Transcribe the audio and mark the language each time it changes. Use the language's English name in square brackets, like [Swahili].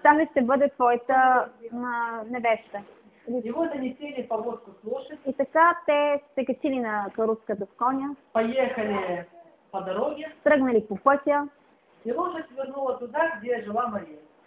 [Bulgarian] Тази ще бъде твоята невеста. [Russian] И вот они сели повозку с лошади. [Bulgarian] И така те се качили на каруцата с коня. [Russian] Поехали по дороге. [Bulgarian] Тръгнали по пътя. [Russian] И лошадь вернула туда, где жила Мария.